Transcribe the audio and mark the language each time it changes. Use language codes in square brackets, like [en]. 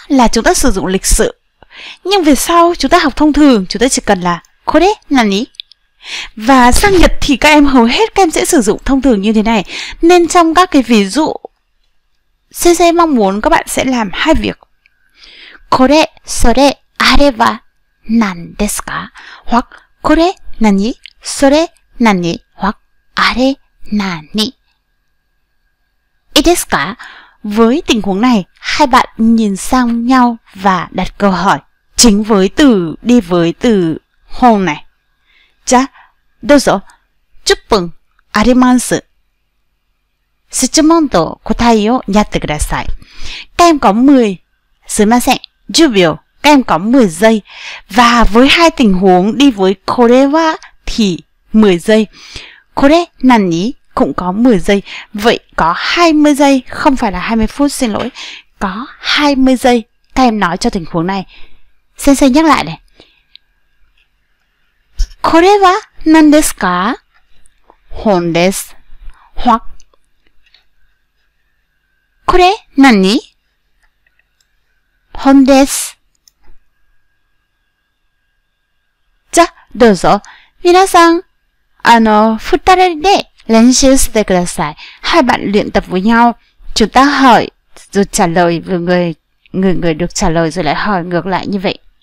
[vi] Là chúng ta sử dụng lịch sự. Nhưng về sau chúng ta học thông thường, chúng ta chỉ cần là [ja] これ何? [vi] Và sang Nhật thì các em hầu hết các em sẽ sử dụng thông thường như thế này. Nên trong các cái ví dụ, CC mong muốn các bạn sẽ làm hai việc. [ja] これそれあれは何ですか? Hoặc これ何?それ何?Hoặc あれ何? いいですか? [vi] Với tình huống này, hai bạn nhìn sang nhau và đặt câu hỏi chính với từ đi với từ hôn này. [ja] じゃ、どうぞ。10分あります。質問と答えをやってください。 [vi] Các em có 10, [ja] すみません、10秒。 [vi] Các em có 10 giây. Và với hai tình huống đi với これは thì 10 giây. [ja] これ何? [vi] Cũng có 10 giây. Vậy có 20 giây, không phải là 20 phút, xin lỗi. Có 20 giây, các em nói cho tình huống này. Xin xin nhắc lại này. [ja] これは何ですか?本です。はっ。これ何?本です。じゃ、どうぞ。皆さん、二人で練習してください。 [vi] はい、bạn luyện tập với nhau。 chúng ta hỏi, rồi trả lời với người được trả lời rồi lại hỏi ngược lại như vậy.